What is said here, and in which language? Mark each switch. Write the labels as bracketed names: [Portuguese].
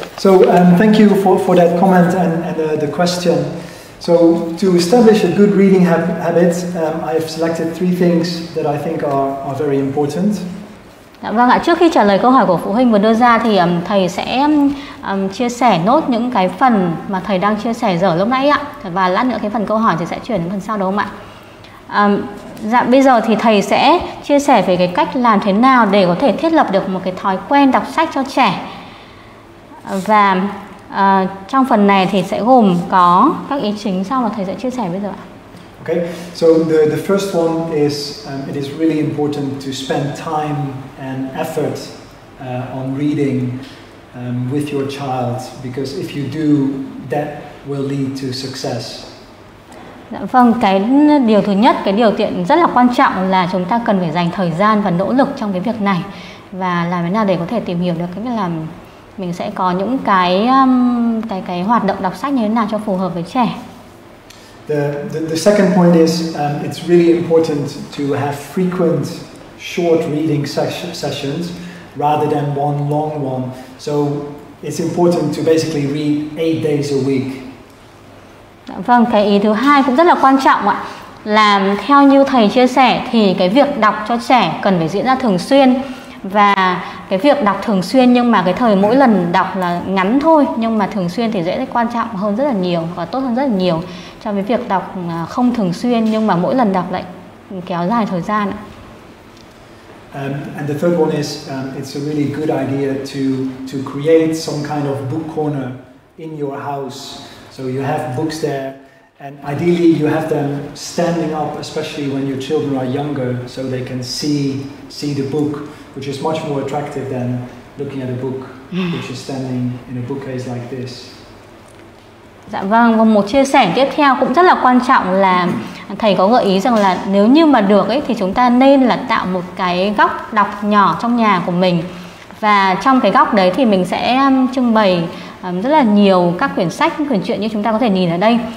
[English] So thank you for that comment and the question. So to establish a good reading habit, I've selected three things that I think are very important. [Vietnamese] Dạ vâng ạ, trước khi trả lời câu hỏi của phụ huynh vừa đưa ra thì thầy sẽ chia sẻ nốt những cái phần mà thầy đang chia sẻ dở lúc nãy ạ. Và lát nữa cái phần câu hỏi thì sẽ chuyển đến phần sau đúng không ạ? Dạ bây giờ thì thầy sẽ chia sẻ về cái cách làm thế nào để có thể thiết lập được một cái thói quen đọc sách cho trẻ. Và trong phần này thì sẽ gồm có các ý chính sau mà thầy sẽ chia sẻ bây giờ ạ. [English] Okay, so the first one is it is really important to spend time and effort on reading with your child, because if you do, that will lead to success. [Vietnamese] Dạ vâng, cái điều thứ nhất, cái điều kiện rất là quan trọng là chúng ta cần phải dành thời gian và nỗ lực trong cái việc này và làm thế nào để có thể tìm hiểu được cái việc làm mình sẽ có những cái hoạt động đọc sách như thế nào cho phù hợp với trẻ. [English] The second point is it's really important to have frequent short reading sessions rather than one long one. So it's important to basically read 8 days a week. [Vietnamese] Vâng, cái ý thứ hai cũng rất là quan trọng ạ. Làm theo như thầy chia sẻ thì cái việc đọc cho trẻ cần phải diễn ra thường xuyên và cái việc đọc thường xuyên nhưng mà cái thời mỗi lần đọc là ngắn thôi nhưng mà thường xuyên thì rất quan trọng hơn rất là nhiều và tốt hơn rất là nhiều cho cái việc đọc không thường xuyên nhưng mà mỗi lần đọc lại kéo dài thời gian. [English] And the third one is it's a really good idea to create some kind of book corner in your house, so you have books there and ideally you have them standing up, especially when your children are younger, so they can see the book, which is much more attractive than looking at a book which is standing in a bookcase like this. [Vietnamese] Dạ vâng, và một chia sẻ tiếp theo cũng rất là quan trọng là thầy có gợi ý rằng là nếu như mà được ấy thì chúng ta nên là tạo một cái góc đọc nhỏ trong nhà của mình. Và trong cái góc đấy thì mình sẽ trưng bày rất là nhiều các quyển sách, quyển truyện như chúng ta có thể nhìn ở đây.